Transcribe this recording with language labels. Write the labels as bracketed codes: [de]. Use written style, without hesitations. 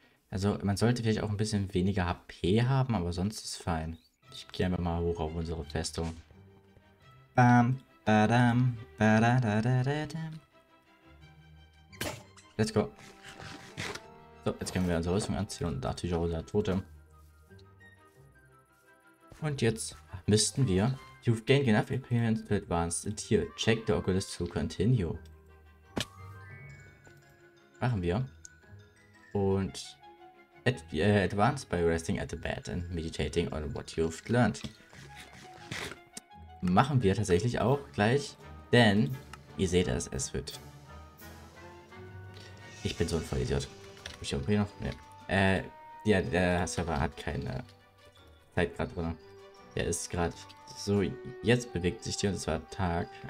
[de] Also, man sollte vielleicht auch ein bisschen weniger HP haben, aber sonst ist fein. Ich gehe einfach mal hoch auf unsere Festung. Bam, badam, badadadadadam. [en] Let's go. [de] So, jetzt können wir unsere Rüstung anziehen und natürlich auch unser Totem. Und jetzt müssten wir. [en] You've gained enough experience to advance it here. Check the Oculus to continue. [de] Machen wir. Und. [en] Advanced by resting at the bed and meditating on what you've learned. [de] Machen wir tatsächlich auch gleich, denn ihr seht es, es wird. Ich bin so ein Vollidiot. Ich hab hier noch. Ne. Ja, der Server hat keine Zeit gerade drin. Der ist gerade so. Jetzt bewegt sich die und es war Tag.